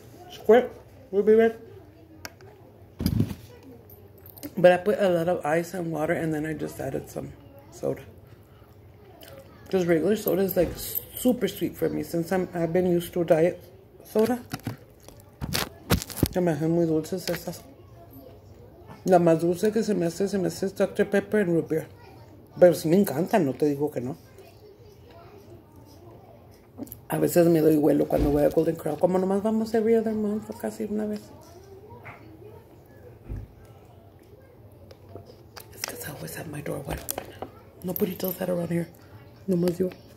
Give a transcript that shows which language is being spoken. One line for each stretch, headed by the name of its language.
English: Squirt, we'll be right. But I put a lot of ice and water, and then I just added some soda, because regular soda is like super sweet for me since I've been used to diet soda.
Spanish: Imagine muy dulces esas. La más dulce que se me hace es Dr. Pepper and root beer. Pero si me encanta, no te digo que no. A veces me doy vuelo cuando voy a Golden Crow, como nomás vamos every other month, casi una vez.
English: It's because I always have my door wide open. Nobody does that around here. No más yo.